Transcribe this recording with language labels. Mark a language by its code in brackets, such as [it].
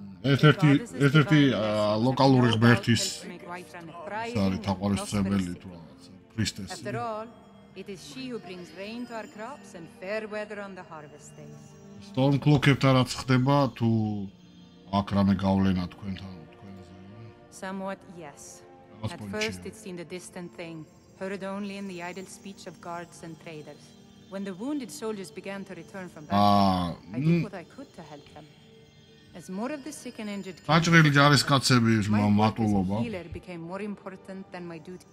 [ka] ერთ-ერთი ლოკალური ღმერთის ის არის თაყვანისმცემელი თუ რაღაცა. ქრისტესი. [en] It is she who brings rain to our crops and fair weather on the harvest days. [ka] Stormcloak-ებთან რაც ხდება თუ აქ რამე გავლენა თქვენთან თქვენზე? [en] Somewhat yes. At first it seemed a distant thing, heard only in the idle speech of guards and traders. When the wounded soldiers began to return from battle, I did what I could to help them. As more of the sick and injured came, my work as a healer became more important than my duty.